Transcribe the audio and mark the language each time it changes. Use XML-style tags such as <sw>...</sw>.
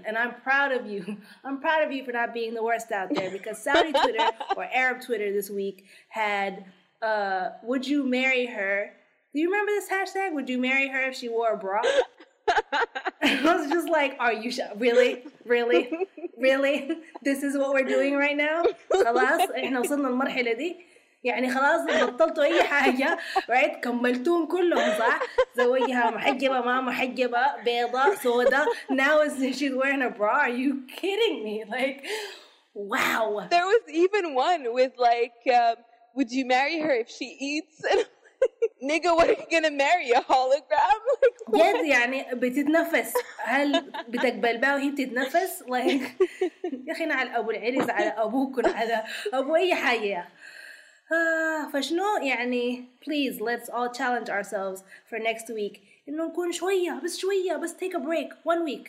<en>And I'm proud of you. I'm proud of you for not being the worst out there, because Saudi Twitter or Arab Twitter this week had would you marry her? Do you remember this hashtag? Would you marry her if she wore a bra? I was just like, are you really? Really? Really? This is what we're doing right now?</en> <ar>خلاص احنا وصلنا المرحلة دي. يعني خلاص بطلتوا اي حاجة,</ar> <en>right?</en> <ar>كملتوهم كلهم صح? زوجها محجبة, ما محجبة, بيضة, سودة.</ar> <en>Now she's wearing a bra. Are you kidding me? Like, wow. There was even one with like, would you marry her if she eats? Nigga, what are you gonna marry? A hologram? Like, yes,</en> <ar>يعني بتتنفس. هل بتقبل بها وهي بتتنفس?</ar> <en>Like,</en> <ar>يا أخينا على أبو العريس, على أبوك, على أبو أي حاجة. فشنو يعني,</ar> <en>please, let's all challenge ourselves for next week.</en> <ar>إنه نكون شوية, بس شوية, بس</ar> <en>take a break.</en>